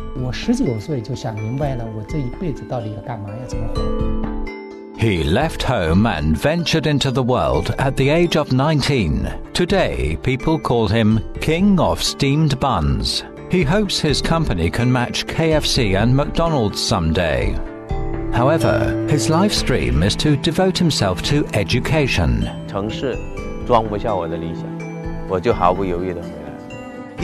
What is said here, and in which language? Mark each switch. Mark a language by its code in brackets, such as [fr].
[zh] 我19岁就想明白了，我这一辈子到底要干嘛，要怎么活。 [en] He left home and ventured into the world at the age of 19. Today, people call him King of Steamed Buns. He hopes his company can match KFC and McDonald's someday. However, his life's dream is to devote himself to education. [zh] 城市装不下我的理想，我就毫不犹豫地回来，